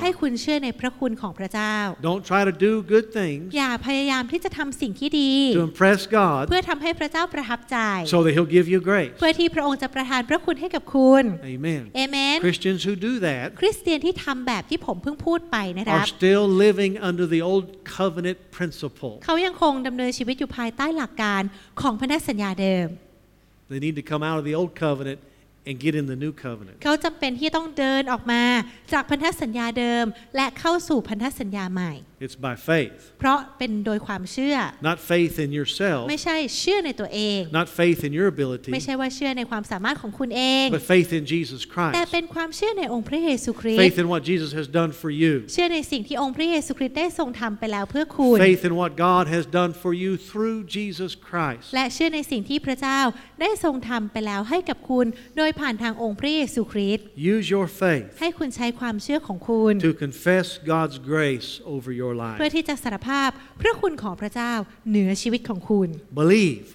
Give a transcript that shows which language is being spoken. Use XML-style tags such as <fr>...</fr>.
<th>ให้คุณเชื่อในพระคุณของพระเจ้า</th> <en>don't try to do good things</en> <th>อย่าพยายามที่จะทำสิ่งที่ดี</th> <en>to impress God</en> <th>เพื่อทำให้พระเจ้าประทับใจ</th> <en>so that He'll give you grace</en> <th>เพื่อที่พระองค์จะประทานพระคุณให้กับคุณ</th> <en>amen amen Christians who do that</en> <th>คริสเตียนที่ทำแบบที่ผมเพิ่งพูดไปนะครับ</th> <en>are still living under the old covenant principle</en> <th>เขายังคงดำเนินชีวิตอยู่ภายใต้หลักการของพันธสัญญาเดิม</th> <en>they need to come out of the old covenant and get in the new covenant</en> <th>เขาจำเป็นที่ต้องเดินออกมาจากพันธสัญญาเดิมและเข้าสู่พันธสัญญาใหม่</th> <en>it's by faith</en> <th>เพราะเป็นโดยความเชื่อ</th> <en>not faith in yourself</en> <th>ไม่ใช่เชื่อในตัวเอง</th> <en>not faith in your ability</en> <th>ไม่ใช่ว่าเชื่อในความสามารถของคุณเอง</th> <en>but faith in Jesus Christ</en> <th>แต่เป็นความเชื่อในองค์พระเยซูคริสต์</th> <en>faith in what Jesus has done for you</en> <th>เชื่อในสิ่งที่องค์พระเยซูคริสต์ได้ทรงทำไปแล้วเพื่อคุณ</th> <en>faith in what God has done for you through Jesus Christ</en> <th>และเชื่อในสิ่งที่พระเจ้าได้ทรงทำไปแล้วให้กับคุณโดยผ่านทางองค์พระเยซูคริสต์</th> <en>use your faith</en> <th>ให้คุณใช้ความเชื่อของคุณ</th> <en>to confess God's grace over your life</en> <th>เพื่อที่จะสารภาพพระคุณของพระเจ้าเหนือชีวิตของคุณ</th> <en>believe</en>